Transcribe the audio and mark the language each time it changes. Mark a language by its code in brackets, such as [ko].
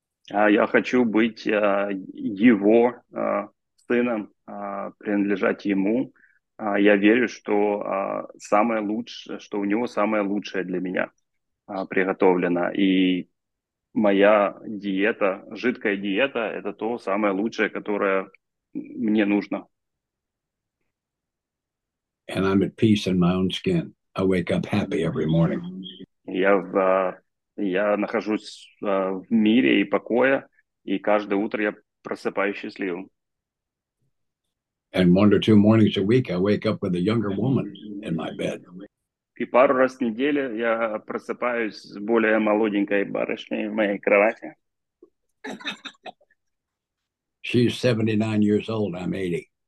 [ru] Я хочу быть его сыном, принадлежать ему. Я верю, что самое лучшее, что у него самое лучшее для меня приготовлено. И моя диета, жидкая диета, это то самое лучшее, которое мне нужно. [en] And I'm at peace in my own skin. I wake up happy every morning. [ru] Я нахожусь в мире и покое, и каждое утро я просыпаюсь счастливым. [en] And 1 or 2 mornings a week, I wake up with a younger woman in my bed. [ru] И пару раз в неделю я просыпаюсь с более молоденькой барышней в моей кровати. [en] She's 79 years old, I'm 80.